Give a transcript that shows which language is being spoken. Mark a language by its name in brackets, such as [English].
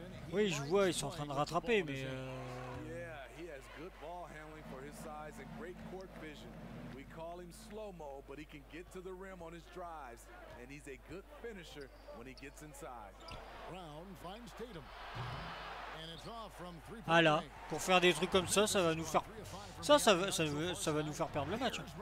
[French] Oui, je vois, ils sont en train de rattraper, mais... [English] he has good ball handling for his size and great court vision. We call him slow-mo, but he can get to the rim on his drives. And he's a good finisher when he gets inside. Brown finds Tatum. And it's off from 3. [French] Ah là, pour faire des trucs comme ça, ça va nous faire... Ça va nous faire perdre le match.